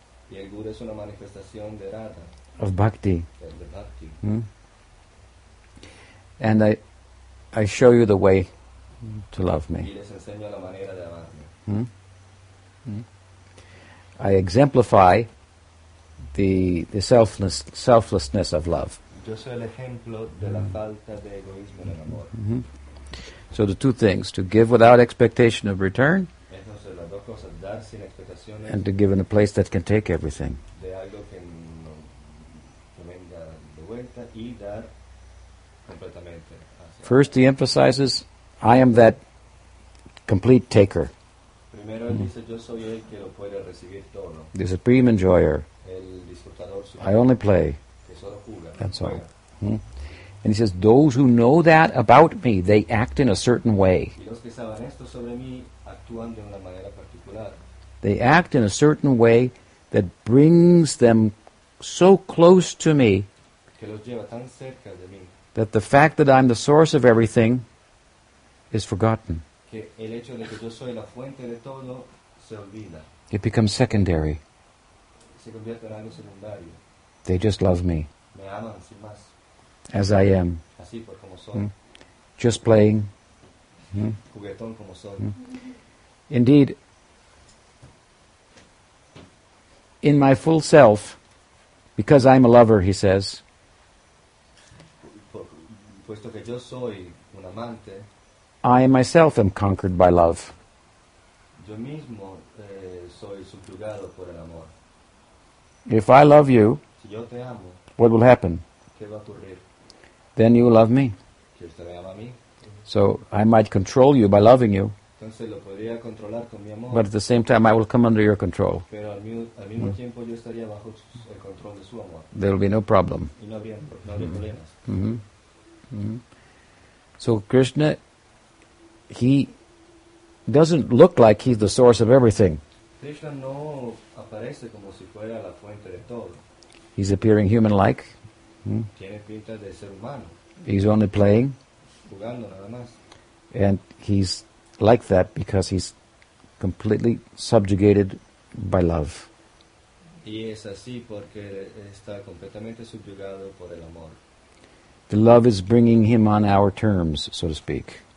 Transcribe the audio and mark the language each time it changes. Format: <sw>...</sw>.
<es>y el guru es una manifestación de Radha,</es> <en>of bhakti,</en> <es>de bhakti.</es> <en>And I show you the way to love me.</en> <es>Y les enseño la manera de amarme.</es> <en>I exemplify the selflessness of love.</en> <es>Yo soy el ejemplo de la falta de egoísmo en el amor. Mm-hmm.</es> <en>So the two things, to give without expectation of return,</en> <es>entonces, las dos cosas, dar sin expectaciones,</es> <en>and to give in a place that can take everything.</en> <es>De algo que no, que venga de vuelta y dar completamente.</es> <en>First he emphasizes, I am that complete taker.</en> <es>Primero, mm-hmm. dice, yo soy el que lo puede recibir todo.</es> <en>The supreme enjoyer.</en> <es>El disfrutador supremo.</es> <en>I only play.</en> <es>Que solo juega,</es> <en>that's all. Mm-hmm. And he says, those who know that about me, they act in a certain way.</en> <es>Los que saben esto sobre mí, actúan de una manera particular.</es> <en>They act in a certain way that brings them so close to me,</en> <es>que los lleva tan cerca de mí,</es> <en>that the fact that I'm the source of everything is forgotten.</en> <es>Que el hecho de que yo soy la fuente de todo se olvida.</es> <en>It becomes secondary.</en> <es>Se convierte en algo secundario.</es> <en>They just love me.</en> <es>Me aman sin más.</es> <en>As I am.</en> <es>Así, pues, como soy. Mm.</es> <en>Just playing.</en> <es>Mm. Juguetón como soy. Mm.</es> <en>Indeed, in my full self, because I'm a lover, he says,</en> <es>puesto que yo soy un amante,</es> <en>I myself am conquered by love.</en> <es>Yo mismo, soy subyugado por el amor.</es> <en>If I love you,</en> <es>si yo te amo,</es> <en>what will happen?</en> <es>¿Qué va a ocurrir?</es> <en>Then you will love me.</en> <es>Que usted me ama a mí.</es> <en>So I might control you by loving you.</en> <es>Entonces, lo podría controlar con mi amor.</es> <en>But at the same time, I will come under your control.</en> <es>Pero al mismo tiempo, yo estaría bajo el control de su amor.</es> <en>There will be no problem.</en> <es>Y no habría, problemas.</es> <en>Mm-hmm. Mm-hmm. So Krishna, he doesn't look like he's the source of everything.</en> <es>Krishna no aparece como si fuera la fuente de todo.</es> <en>He's appearing human-like.</en> <es>Hmm. Tiene pinta de ser humano.</es> <en>He's only playing.</en> <es>Jugando nada más.</es> <en>And he's like that because he's completely subjugated by love.</en> <es>Y es así porque está completamente subyugado por el amor.</es> <en>The love is bringing him on our terms, so to speak.</en>